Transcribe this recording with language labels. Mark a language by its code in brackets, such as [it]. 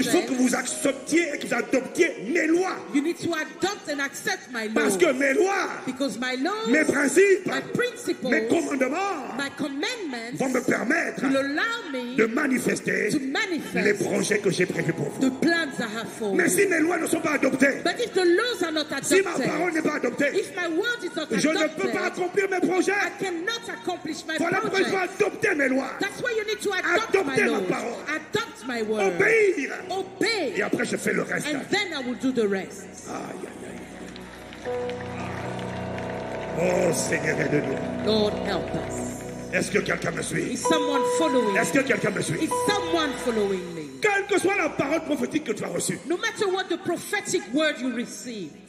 [fr] il faut que vous acceptiez et que vous adoptiez mes lois. [en] You need to adopt and accept my laws. [fr] Parce que mes lois, [en] because my laws, [fr] mes principes, [en] my principles, [fr] mes commandements, [en] my commandments, [fr] vont me permettre [en] will allow me [fr] de manifester [en] to manifest [fr] les projets que j'ai prévus pour vous. [en] The plans I have for [fr] mais [en] you. [fr] Si mes lois ne sont pas adoptées, [en] but if the laws are not adopted, [fr] si ma parole n'est pas adoptée, [en] if my word is not adopted, [fr] je ne peux pas accomplir mes projets. [en] I cannot accomplish my [fr] voilà [en] projects. [fr] Pourquoi adopter mes lois. [en] That's why you need to adopt my laws. Parole. Adopt my word. [fr] Obéir. [en] Obey. [fr] Et après je fais le reste. [en] And then I will do the rest. [fr] Aïe, aïe, aïe. Oh Seigneur aide nous. [en] Lord help us. [fr] Est-ce que quelqu'un me suit? [en] Is someone following? [fr] Est-ce que quelqu'un me suit? [en] Is someone following me? [fr] Quelle que soit la parole prophétique que tu as reçue. [en] No matter what the prophetic word you received.